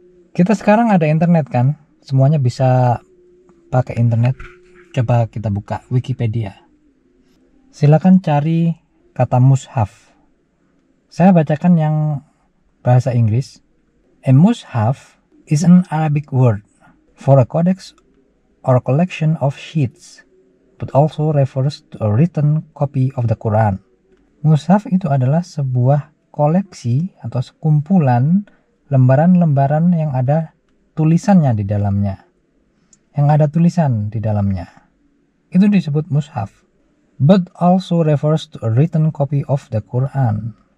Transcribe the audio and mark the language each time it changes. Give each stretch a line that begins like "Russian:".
Indonesian: Kita sekarang ada internet kan? Semuanya bisa pakai internet. Coba kita buka Wikipedia. Silakan cari kata mushaf. Saya bacakan yang bahasa Inggris.
English: A mushaf is an Arabic word for a codex or a collection of sheets, but also refers to a written copy of the Quran.
Indonesian: Mushaf itu adalah sebuah koleksi atau sekumpulan lembaran-lembaran yang ada tulisannya di dalamnya. Yang ada tulisan di dalamnya. Itu disebut mushaf.
English: But also refers to a written copy of the Quran.